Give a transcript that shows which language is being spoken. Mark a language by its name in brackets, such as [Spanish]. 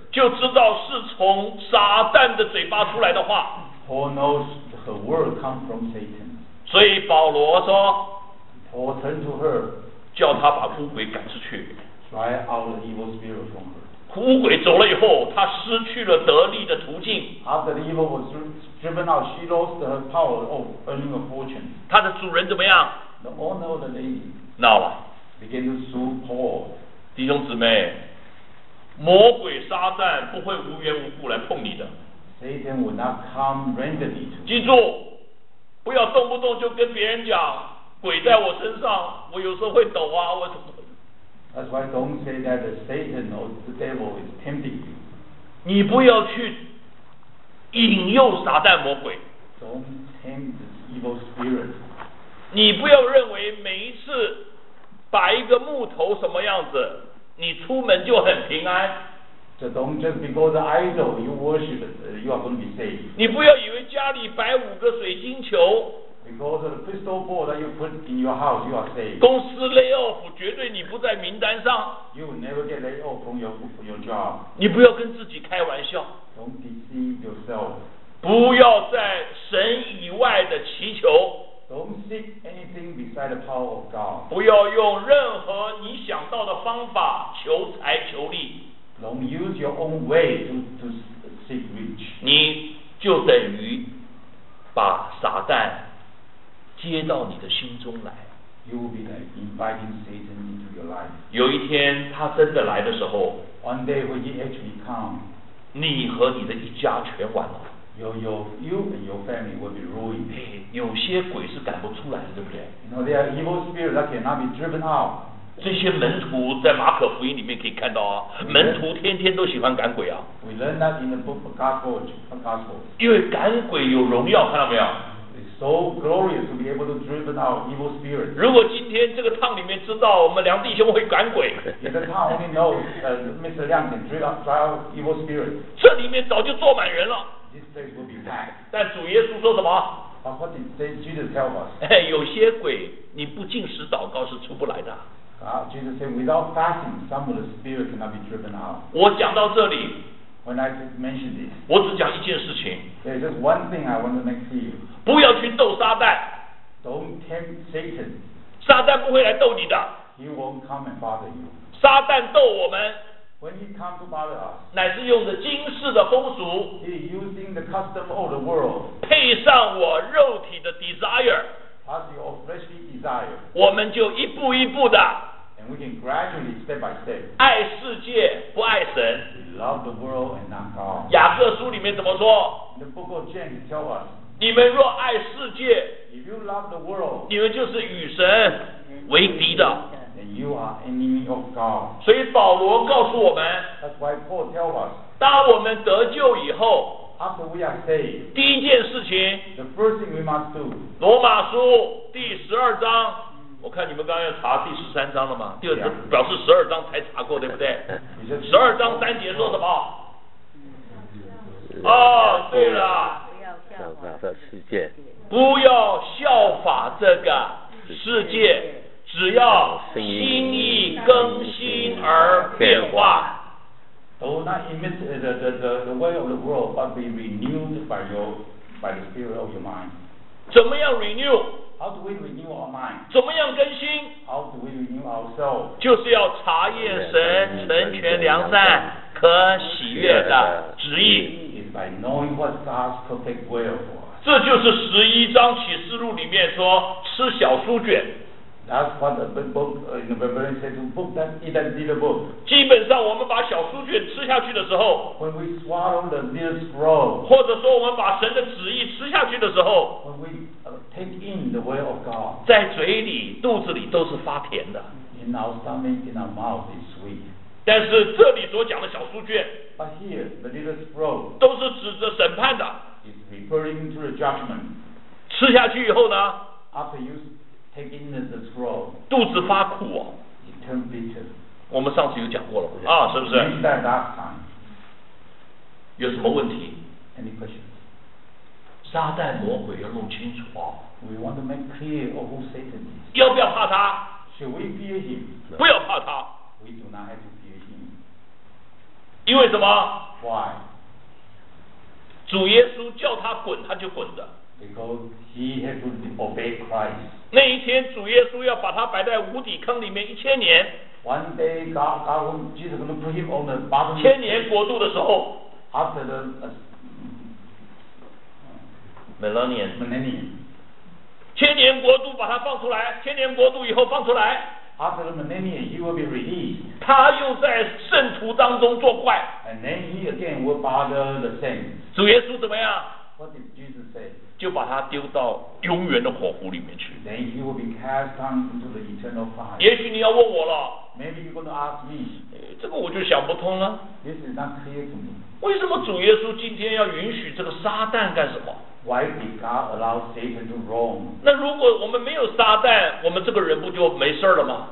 [Chinese] 就知道是从撒旦的嘴巴出来的话。 [English] Paul knows her word come from Satan。 [Chinese] 所以保罗说 [English] ，Paul turned to her， [Chinese] 叫他把巫鬼赶出去。 [English] Try out the evil spirit from her。 [Chinese] 巫鬼走了以后，他失去了得力的途径。 [English] After the evil was driven out, she lost her power of earning a fortune. [Chinese] 他的主人怎么样 [English] ？The owner of the lady [Chinese] 闹了 [English] ，began to sue Paul. [Chinese] 弟兄姊妹，魔鬼撒旦不会无缘无故来碰你的。 [English] Satan would not come randomly to. [Chinese] 记住，不要动不动就跟别人讲鬼在我身上，我有时候会抖啊，我怎么？ [English] That's why don't say that the Satan or the devil is tempting you. [Chinese] 你不要去引诱撒旦魔鬼。 [English] Don't tempt the evil spirit. [Chinese] 你不要认为每一次把一个木头什么样子，你出门就很平安。 [English] So don't just because the idol you worship, you are going to be saved. [Chinese] 你不要以为家里摆五个水晶球。 [English] Because of the crystal ball that you put in your house, you are safe. [Chinese] 公司 lay off 绝对你不在名单上。 [English] You will never get laid off from your job. [Chinese] 你不要跟自己开玩笑。 [English] Don't deceive yourself. [Chinese] 不要在神以外的祈求。 [English] Don't seek anything beside the power of God. [Chinese] 不要用任何你想到的方法求财求利。 [English] Don't use your own way to seek rich. [Chinese] 你就等于把撒旦接到你的心中来。 [English] You will be like inviting Satan into your life. [Chinese] 有一天他真的来的时候 [English] ，One day when he actually come， [Chinese] 你和你的一家全完了。 [English] You and your family will be ruined. [Chinese] 有些鬼是赶不出来的，对不对 [English] ？You know there are evil spirits that cannot be driven out. [Chinese] 这些门徒在马可福音里面可以看到啊，门徒天天都喜欢赶鬼啊。 [English] We learn that in the book of Gospels. [Chinese] 因为赶鬼有荣耀，看到没有？ [English] So glorious to be able to driven out evil spirits. [Chinese] 如果今天这个堂里面知道我们梁弟兄会赶鬼 [English] ，If the town only knows Mr. Liang can drive out evil spirits, [Chinese] 这里面早就坐满人了。 [English] This place will be packed. [Chinese] 但主耶稣说什么 [English] ？But what did Jesus tell us? [Chinese] 有些鬼你不禁食祷告是出不来的。 [English] Jesus said without fasting, some of the spirits cannot be driven out. [Chinese] 我讲到这里。 [English] When I mention this， [Chinese] 我只讲一件事情。 [English] There's just one thing I want to make clear。 [Chinese] 不要去斗撒旦。 [English] Don't tempt Satan。 [Chinese] 撒旦不会来斗你的。 [English] He won't come and bother you。 [Chinese] 撒旦斗我们。 [English] When he come to bother us. [Chinese] 乃是用着今世的风俗。 [English] He is using the custom of the world. [Chinese] 配上我肉体的 desire. [English] Plus your fleshly desire. [Chinese] 我们就一步一步的。 [English] And we can gradually step by step. [Chinese] 爱世界不爱神。 [English] Love the world and not God. [Chinese] 雅各书里面怎么说？ [English] The book of James tells us. [Chinese] 你们若爱世界， [English] If you love the world, [Chinese] 你们就是与神为敌的。 [English] You are enemy of God. [Chinese] 所以保罗告诉我们， [English] That's why Paul tells us. [Chinese] 当我们得救以后， [English] After we are saved, [Chinese] 第一件事情， [English] The first thing we must do. [Chinese] 罗马书第十二章，我看你们刚刚查第十三章了嘛，第二章表示十二章才查过，对不对？十二章三节说什么？哦，对了，不要效法世界，不要效法这个世界。只要心意更新而变化。 [English] Do not imit the way of the world, but be renewed by the spirit of your mind. [Chinese] 怎么样 renew? [English] How do we renew our mind? [Chinese] 怎么样更新？ [English] How do we renew ourselves? [Chinese] 就是要查验神成全良善可喜悦的旨意。 [English] Is by knowing what God's perfect will for us. [Chinese] 这就是十一章启示录里面说吃小书卷。 [English] That's what the book in the Revelation says. Book that eat that little book. [Chinese] 基本上我们把小书卷吃下去的时候， [English] When we swallow the little scroll. [Chinese] 或者说我们把神的旨意吃下去的时候， [English] When we take in the will of God. [Chinese] 在嘴里肚子里都是发甜的。 [English] In our stomach, in our mouth is sweet. [Chinese] 但是这里所讲的小书卷， [English] But here, the little scroll. [Chinese] 都是指着审判的。 [English] It's referring to the judgment. [Chinese] 吃下去以后呢， [English] After you Take in the scroll. [Chinese] 肚子发苦哦。 [English] It turns bitter. [Chinese] 我们上次有讲过了，啊，是不是？ [English] We said last time. [Chinese] 有什么问题？ [English] Any questions? [Chinese] 撒旦魔鬼要弄清楚啊。 [English] We want to make clear of who Satan is. [Chinese] 要不要怕他？ [English] Should we fear him? [Chinese] 不要怕他。 [English] We do not have to fear him. [Chinese] 因为什么？ [English] Why? [Chinese] 主耶稣叫他滚，他就滚的。 [English] Because he has to obey Christ. [Chinese] 那一天主耶稣要把他摆在无底坑里面一千年。 [English] One day God Jesus will put him on the bottom. [Chinese] 千年国度的时候。 [English] After the millennium. [Chinese] 千年国度把他放出来，千年国度以后放出来。 [English] After the millennium, he will be released. [Chinese] 他又在圣徒当中作怪。 [English] And then he again will bother the saints. [Chinese] 主耶稣怎么样？ [English] What did Jesus say? [Chinese] 就把他丢到永远的火湖里面去。 [English] Then he will be cast down into the eternal fire. [Chinese] 也许你要问我了。 [English] Maybe you're going to ask me. [Chinese] 这个我就想不通了。 [English] This is not clear to me. [Chinese] 为什么主耶稣今天要允许这个撒旦干什么？ [English] Why did God allow Satan to roam? [Chinese] 那如果我们没有撒旦，我们这个人不就没事了吗？